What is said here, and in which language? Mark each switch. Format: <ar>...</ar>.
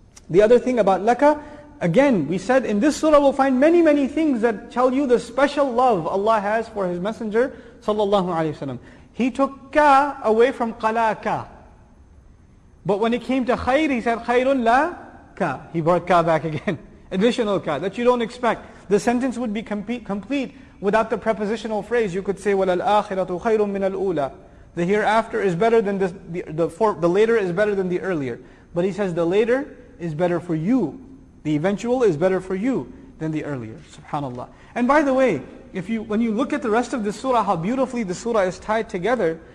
<en>The other thing about laka, again, we said in this surah we'll find many, many things that tell you the special love Allah has for His Messenger, sallallahu alayhi wa sallam. He took ka away from qalaka. But when it came to khayr, he said khayrun la. He brought ka back again. Additional ka that you don't expect. The sentence would be complete without the prepositional phrase. You could say,</en> <ar>وَلَا الْآخِرَةُ خَيْرٌ مِنَ الْأُولَى.</ar> <en>The hereafter is better than the later is better than the earlier. But he says, the later is better for you. The eventual is better for you than the earlier. SubhanAllah. And by the way, when you look at the rest of the surah, how beautifully the surah is tied together.</en>